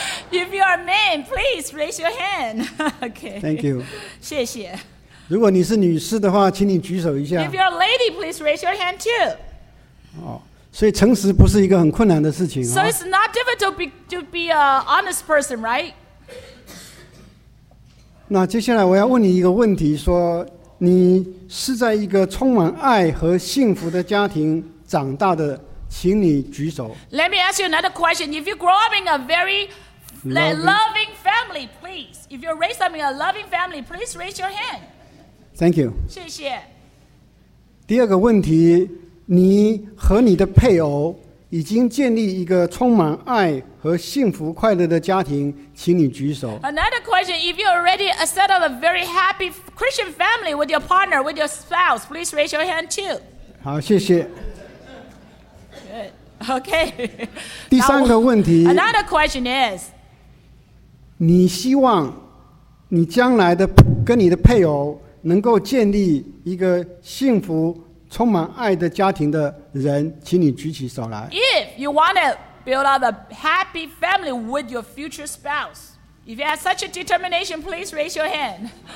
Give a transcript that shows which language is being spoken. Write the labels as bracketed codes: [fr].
[en] If you are man, please raise your hand. Okay. Thank you. [zh] 谢谢。如果你是女士的话，请你举手一下。 [en] If you are a lady, please raise your hand too. [zh] 所以诚实不是一个很困难的事情。 [en] So it's not difficult to be an honest person, right? [zh] 那接下来我要问你一个问题，说你是在一个充满爱和幸福的家庭长大的，请你举手。 [en] Let me ask you another question. If you grow up in a very loving family, please. If you're raised up in a loving family, please raise your hand. Thank you. [zh] 谢谢。第二个问题，你和你的配偶已经建立一个充满爱和幸福快乐的家庭，请你举手。 [en] Another question, if you already set up a very happy Christian family with your partner, with your spouse, please raise your hand too. [zh] 好，谢谢。 [en] Good. Okay. [zh] 第三个问题。 [en] Another question is, [zh] 你希望你将来的跟你的配偶能够建立一个幸福充满爱的家庭的人，请你举起手来。 [en] If you want to build up a happy family with your future spouse, if you have such a determination, please raise your hand.